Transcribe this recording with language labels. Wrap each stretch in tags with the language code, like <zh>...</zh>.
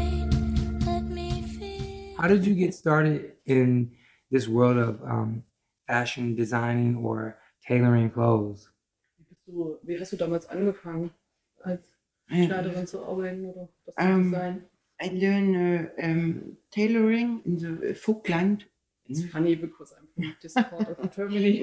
<en>did you get started in this world of fashion designing or tailoring clothes?</en> <de>Wie hast du damals angefangen, als Schneiderin zu arbeiten oder das zu designen?</de> <en>I learned tailoring in the Vogtland. It's funny because I'm from this part of Germany.</en>